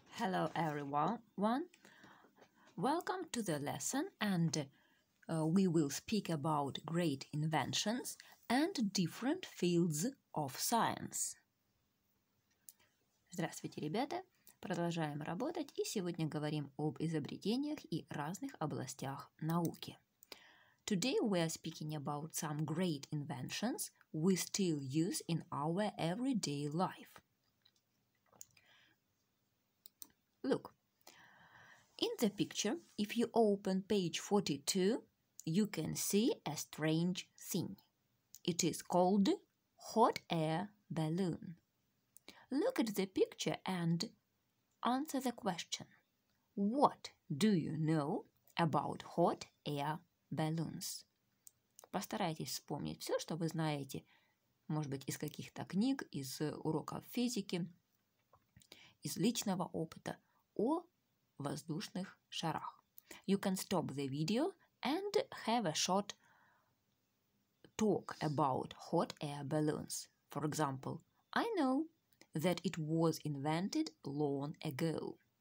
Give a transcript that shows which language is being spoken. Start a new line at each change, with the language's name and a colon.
English: Hello everyone, welcome to the lesson, and we will speak about great inventions and different fields of science.
Russian: Здравствуйте, ребята! Продолжаем работать и сегодня говорим об изобретениях и разных областях науки.
English: Today we are speaking about some great inventions we still use in our everyday life. Look, in the picture, if you open page 42, you can see a strange thing. It is called hot air balloon. Look at the picture and answer the question. What do you know about hot air balloons?
Russian: Постарайтесь вспомнить все, что вы знаете, может быть, из каких-то книг, из уроков физики, из личного опыта. О воздушных шарах.
English: You can stop the video and have a short talk about hot air balloons. For example, I know that it was invented long ago.